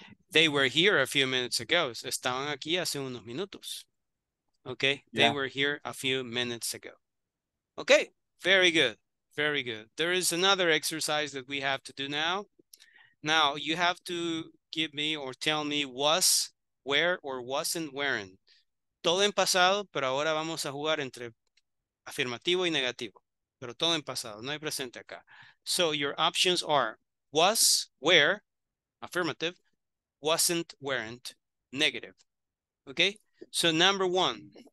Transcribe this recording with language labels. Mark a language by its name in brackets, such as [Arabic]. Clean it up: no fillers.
[English] They were here a few minutes ago. [Spanish] Estaban aquí hace unos minutos. [English] Okay. Yeah. They were here a few minutes ago. Okay. Very good. Very good. There is another exercise that we have to do now. Now, you have to give me or tell me was, where, or wasn't wearing. [Spanish] Todo en pasado, pero ahora vamos a jugar entre afirmativo y negativo. Pero todo en pasado. No hay presente acá. [English] So, your options are was, where, affirmative, wasn't, weren't, negative. Okay? So number 1.